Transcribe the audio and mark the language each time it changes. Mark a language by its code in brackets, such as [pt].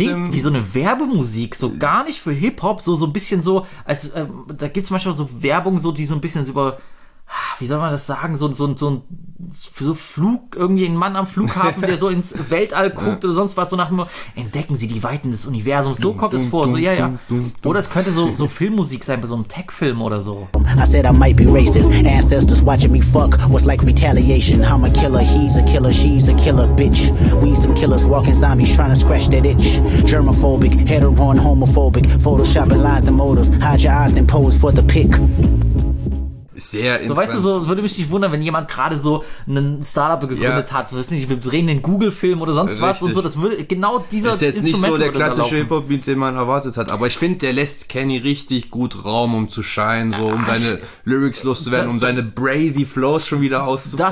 [de] Der klingt wie so eine Werbemusik, so gar nicht für Hip-Hop, so ein bisschen so, als da gibt es manchmal so Werbung, so, die so ein bisschen so über wie soll man das sagen, so Flug, irgendwie ein Mann am Flughafen, der so ins Weltall guckt oder sonst was, so nach dem, entdecken Sie die Weiten des Universums, so kommt es vor, so ja, ja. Oder es könnte so Filmmusik sein, bei so einem Tech-Film oder so. [en] I said I might be racist, ancestors watching me fuck, what's like retaliation, I'm a killer, he's a killer, she's a killer, bitch, we some killers walking zombies trying to scratch that itch, germophobic, hetero and homophobic, photoshopping lies and motives, hide your eyes and pose for the pic. [de] Sehr so, weißt du, so würde mich nicht wundern, wenn jemand gerade so einen Startup gegründet hat, weiß nicht, wir drehen einen Google-Film oder sonst was und so, das würde genau dieser Instrument. Ist jetzt nicht so der klassische Hip-Hop, den man erwartet hat, aber ich finde, der lässt Kenny richtig gut Raum, um zu scheinen, so um seine Lyrics loszuwerden, um seine brazy Flows schon wieder auszupacken.